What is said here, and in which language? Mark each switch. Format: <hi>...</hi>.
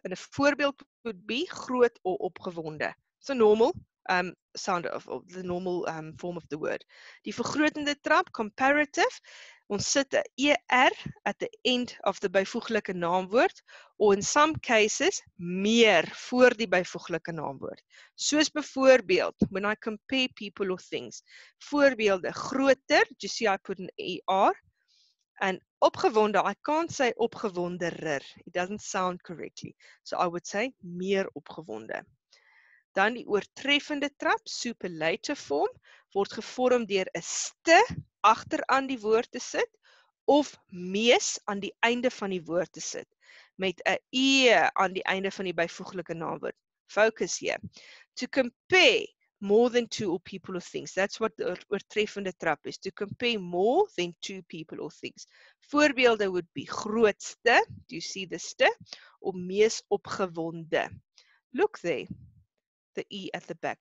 <en>And a voorbeeld would be groot or opgewonde. It's a normal sound of the normal form of the word.</en> <af>Die vergrotende trap, comparative, ons sit</af> <en>a ER at the end of the</en> <af>bijvoeglijke naamwoord,</af> <en>or in some cases,</en> <af>meer voor die bijvoeglijke naamwoord. Soos bijvoorbeeld,</af> <en>when I compare people or things, voorbeelde, groter, you see I put an ER, and opgewonde, I can't say opgewonderer, it doesn't sound correctly, so I would say meer opgewonde.</en> <af>Dan die oortreffende trap, superlative form, word gevormd deur 'n st agteraan die woord te sit, of mees aan die einde van die woord te sit, met 'n e aan die einde van die bijvoeglike naamwoord.</af> <en>Focus here. To compare more than two or people or things, that's what the oortreffende trap is, to compare more than two people or things. Voorbeelde would be grootste, do you see the st,</en> <af>of mees opgewonde.</af> <en>Look there. The E at the back.</en>